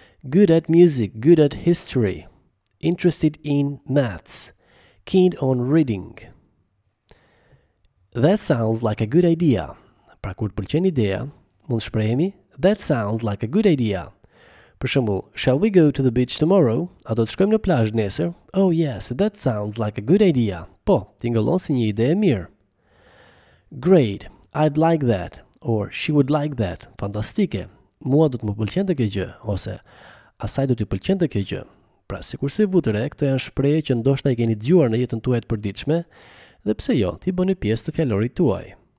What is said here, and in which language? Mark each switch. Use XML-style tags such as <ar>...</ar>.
<en>Good at music, good at history. Interested in maths, keen on reading. That sounds like a good idea.</en> <sq>Pra kur të pëlqen ideja, mund shprehemi,</sq> <en>that sounds like a good idea.</en> <sq>Për shembull,</sq> <en>shall we go to the beach tomorrow?</en> <sq>A do të shkojmë në plazh nesër?</sq> <en>Oh yes, that sounds like a good idea.</en> <sq>Po, tingëllon si një ide e mirë.</sq> <en>Great, I'd like that. Or she would like that.</en> <sq>Fantastike. Mua do të më pëlqente kjo gjë ose asaj do t'i pëlqente kjo gjë. Pra sikurse vutëre, këto janë shprehje që ndoshta i keni dëgjuar në jetën tuaj të përditshme, dhe pse jo, ti bëni pjesë të fjalorit tuaj.</sq>